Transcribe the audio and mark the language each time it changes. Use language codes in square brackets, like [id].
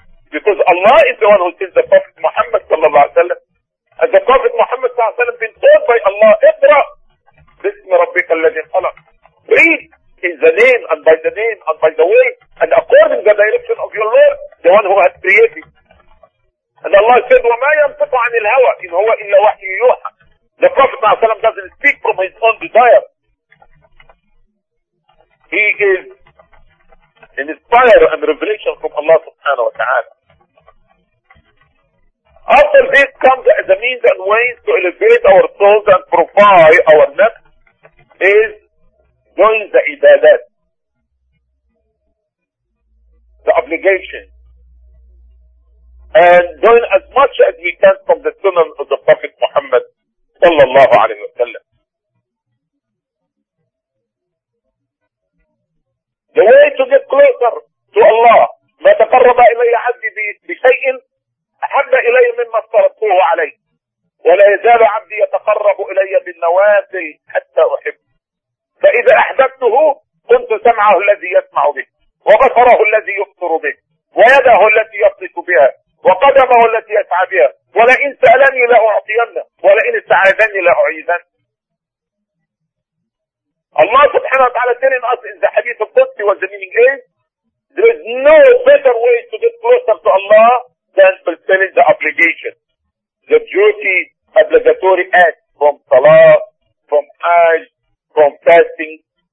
[en] Because Allah is the one who sent the Prophet Muhammad sallallahu alaihi wasallam. And the Prophet Muhammad sallallahu alaihi wasallam been told by Allah, [ar] اقرأ بسم ربك الذي خلق. [en] Read in the name and by the name and by the way and according to the direction of your Lord, the one who has created. And Allah said, [ar] وما ينطق عن الهوى إن هو إلا وحي يوحى. [en] The Prophet sallallahu alaihi wasallam doesn't speak from his own desire. He is an inspired and revelation from Allah subhanahu wa ta'ala. After this comes the means and ways to elevate our souls and purify our nafs is doing the ibadat, the obligation, and doing as much as we can from the sunnah of the Prophet Muhammad sallallahu alayhi wa sallam. The way to get closer to Allah, [ar] ما تقرب إلي عبدي بشيء أحب إلي مما افترضته علي ولا يزال عبدي يتقرب إلي بالنوافل حتى أحب. فإذا أحببته كنت سمعه الذي يسمع به وبصره الذي يبصر به ويده التي يبطش بها وقدمه التي يسعى بها ولئن سألني لأعطينه ولئن استعاذني لأعيذنه. [en] Allah subhanahu wa ta'ala telling us in the hadith of Qudsi was the meaning is there is no better way to get closer to Allah than fulfilling the obligation, the duty, obligatory act from salah, from hajj, from fasting.